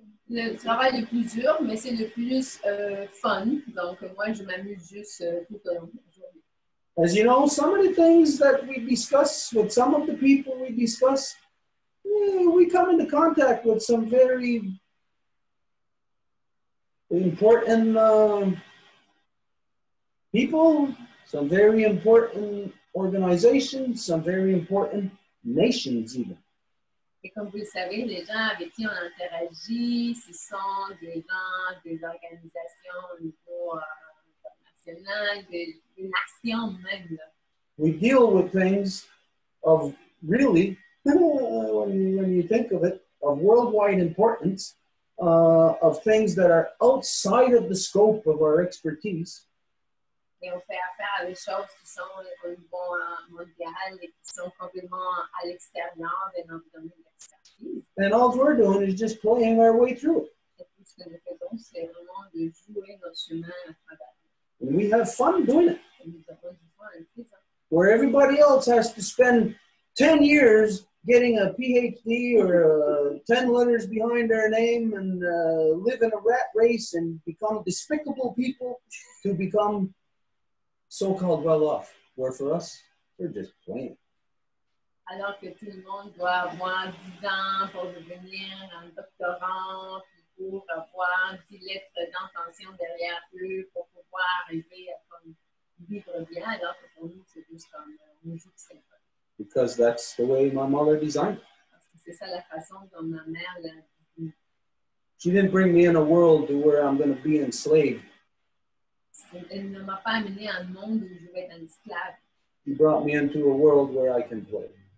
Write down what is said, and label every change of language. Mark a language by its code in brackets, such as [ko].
[fr] Le travail le plus dur, mais c'est le plus fun. Donc moi, je m'amuse juste tout au long. [en] As you know, some of the things that we discuss with some of the people we discuss, we come into contact with some very important people, some very important organizations, some very important nations even. [fr] Et comme vous le savez, les gens avec qui on interagit, ce sont des gens, des organisations au niveau international, des nations même. Là. [en] We deal with things of really, when you think of it, of worldwide importance, of things that are outside of the scope of our expertise. [fr] Et on fait affaire à des choses qui sont au niveau mondial et qui sont complètement à l'extérieur de notre domaine d'expertise. [en] And all we're doing is just playing our way through. [fr] Et tout ce que nous faisons, c'est vraiment de jouer notre chemin à travers. [en] We have fun doing it. [fr] Et nous avons du fun à faire ça. [en] Where everybody else has to spend 10 years getting a PhD or 10 letters behind their name and live in a rat race and become despicable people to become so-called well-off. Where for us, we're just playing. [fr] Alors que tout le monde doit avoir 10 ans pour devenir un doctorant, pour avoir 10 lettres d'intention derrière eux, pour pouvoir arriver à vivre bien, alors que pour nous, c'est juste comme une joute simple. [en] Because that's the way my mother designed. [fr] C'est ça la façon dont ma mère l'a dit. [en] She didn't bring me in a world to where I'm going to be enslaved. [fr] Elle ne m'a pas amené à un monde où je vais être un esclave. [en] She brought me into a world where I can play.